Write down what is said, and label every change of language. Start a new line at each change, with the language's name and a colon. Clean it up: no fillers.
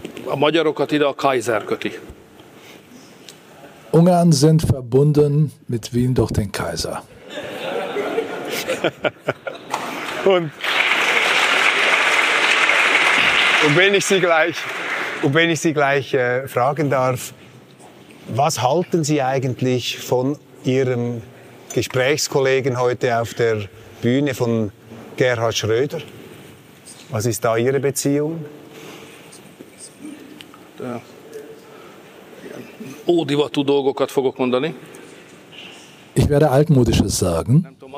Hungarian: A magyarokat ide a Kaiser köti.
German: Ungarn sind verbunden mit Wien durch den Kaiser. Und wenn ich Sie gleich fragen darf, was halten Sie eigentlich von Ihrem Gesprächskollegen heute auf der Bühne, von Gerhard Schröder? Was ist da Ihre Beziehung?
Hungarian: Ódivatú dolgokat fogok mondani.
German: Ich werde Altmodisches sagen.